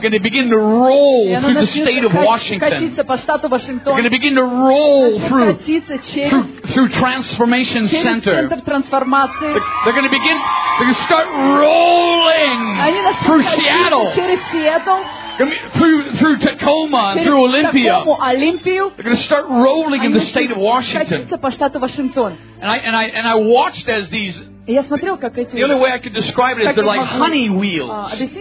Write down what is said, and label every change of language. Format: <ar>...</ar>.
<en>Going to begin to roll through the state of Washington.</en> <ru>Катиться по штату Вашингтон.</ru> <en>Going to begin to roll through.</en> <ru>Катиться через.</ru> <en>Through Transformation Center.</en> <ru>Через центр трансформации.</ru> <en>They're going to begin. They're going to start rolling.</en> <ru>Они начнут катиться через Сиэтл.</ru> <en>Through Tacoma and through Olympia. Olympia, they're going to start rolling in the state of Washington. And I watched as these. The only way I could describe it is they're like honey wheels.</en>